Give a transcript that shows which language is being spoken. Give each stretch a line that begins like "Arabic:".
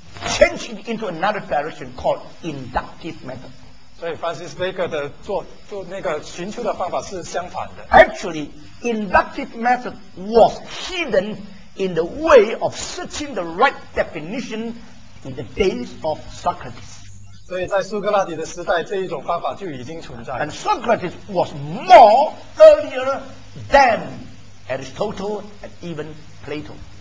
English: changing into another direction called inductive method.
Chinese: 所以 Francis Bacon 的做那个寻求的方法是相反的。
English: Actually, inductive method was hidden in the way of searching the right definition in the days of Socrates.
Chinese: 所以在苏格拉底的时代，这一种方法就已经存在了。
English: And Socrates was more earlier than Aristotle and even Plato.